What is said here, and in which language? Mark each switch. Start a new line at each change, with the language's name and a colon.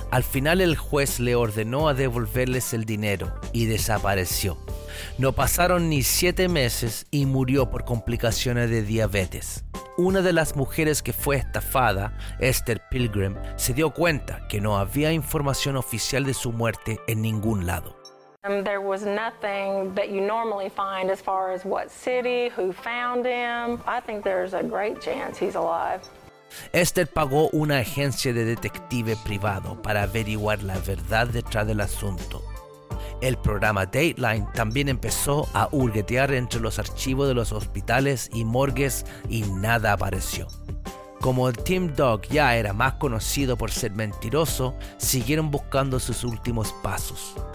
Spanish: Al final el juez le ordenó a devolverles el dinero y desapareció. No pasaron ni 7 meses y murió por complicaciones de diabetes. Una de las mujeres que fue estafada, Esther Pilgrim, se dio cuenta que no había información oficial de su muerte en ningún lado.
English: There was nothing that you normally find as far as what city, who found him. I think there's a great chance he's alive.
Spanish: Esther pagó una agencia de detective privado para averiguar la verdad detrás del asunto. El programa Dateline también empezó a hurguetear entre los archivos de los hospitales y morgues y nada apareció. Como el Tim Dog ya era más conocido por ser mentiroso, siguieron buscando sus últimos pasos.